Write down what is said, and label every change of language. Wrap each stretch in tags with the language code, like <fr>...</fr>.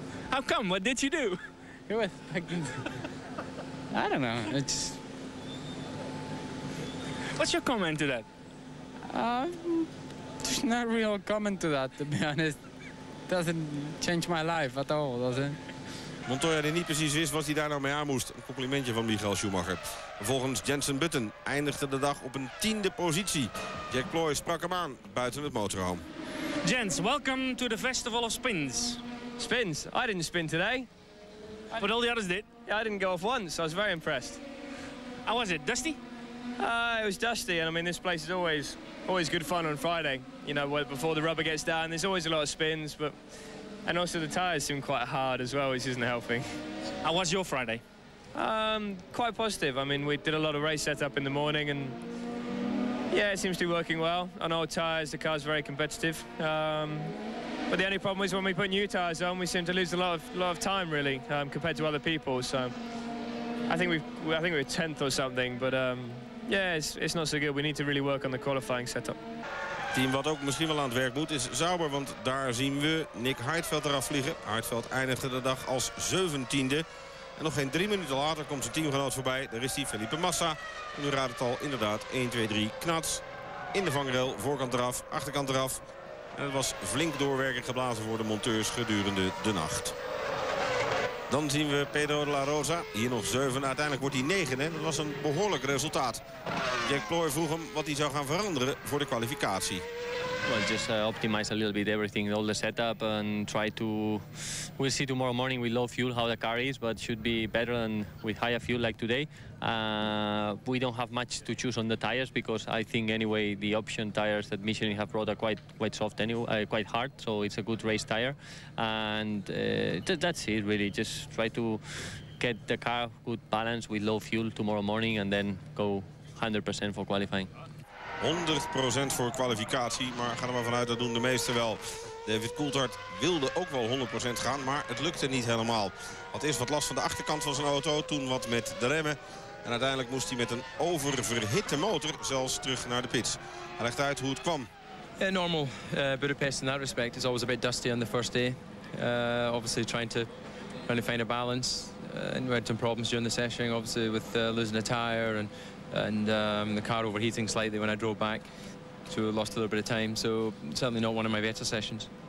<en>How come? What did you do? It was I don't know. It's. What's your comment to that? There's no real comment to that, to be honest. Doesn't change my life at all, does it?</en> <nl>Montoya die niet precies wist wat hij daar nou mee aan moest. Een complimentje van Michael Schumacher. Volgens Jenson Button eindigde de dag op een 10e positie. Jack Ploy sprak hem aan buiten het motorhome.</nl> <en>Jens, welcome to the Festival of Spins. Spins? I didn't spin today. But all the others did. Yeah, I didn't go off once. I was very impressed. How was it? Dusty? It was dusty. And I mean, this place is always good fun on Friday. You know, before the rubber gets down, there's always a lot of spins. But and also the tires seem quite hard as well, which isn't helping. How was your Friday? Quite positive. I mean, we did a lot of race setup in the morning and yeah, it seems to be working well. On old tires, the car's very competitive. But the only problem is when we put new tires on, we seem to lose a lot of time really, compared to other people. So I think we're 10th or something, but yeah, it's not so good. We need to really work on the qualifying setup.</en> <nl>Team wat ook misschien wel aan het werk moet is Sauber, want daar zien we Nick Heidfeld eraf vliegen. Heidfeld eindigde de dag als 17e. En nog geen 3 minuten later komt zijn teamgenoot voorbij. Daar is hij, Felipe Massa. En u raadt het al, inderdaad, 1, 2, 3, knats. In de vangrail, voorkant eraf, achterkant eraf. En het was flink doorwerken geblazen voor de monteurs gedurende de nacht. Dan zien we Pedro de la Rosa, hier nog 7. Uiteindelijk wordt hij 9, hè. Dat was een behoorlijk resultaat. Jack Ploy vroeg hem wat hij zou gaan veranderen voor de kwalificatie.</nl> <en>Well, just optimize a little bit everything, all the setup, and try to. We'll see tomorrow morning with low fuel how the car is, but should be better than with higher fuel like today. We don't have much to choose on the tires because I think anyway the option tires that Michelin have brought are quite soft anyway, quite hard. So it's a good race tire, and that's it really. Just try to get the car good balance with low fuel tomorrow morning, and then go 100% for qualifying.</en> <nl>100% voor kwalificatie, maar ga er maar vanuit, dat doen de meesten wel. David Coulthard wilde ook wel 100% gaan, maar het lukte niet helemaal. Had eerst wat last van de achterkant van zijn auto, toen wat met de remmen. En uiteindelijk moest hij met een oververhitte motor zelfs terug naar de pits. Hij legt uit hoe het kwam.</nl> <en>Yeah, normal Budapest in that respect. It's always a bit dusty on the first day. Obviously trying to find a balance. And we had some problems during the session, obviously with losing a tire and the car overheating slightly when I drove back, so we lost a little bit of time. So certainly not one of my better sessions.</en>